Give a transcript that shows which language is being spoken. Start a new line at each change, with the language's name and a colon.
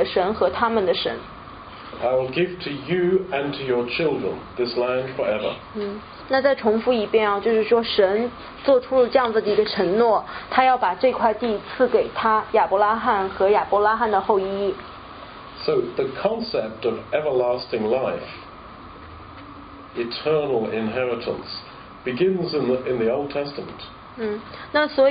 Chinese: 那然后创世纪17章8节又说道，我要将现在你居住的地，也就是迦南全地赐给你和你的后裔，永远成为你的业，我也要必作为你的神和他们的神。I
English: will give to you and to your children this land forever.
Chinese: 那再重复一遍，就是说神做出了这样子的一个承诺，他要把这块地赐给他亚伯拉罕和亚伯拉罕的后裔。
English: So the concept of everlasting life, eternal inheritance, begins in the Old Testament.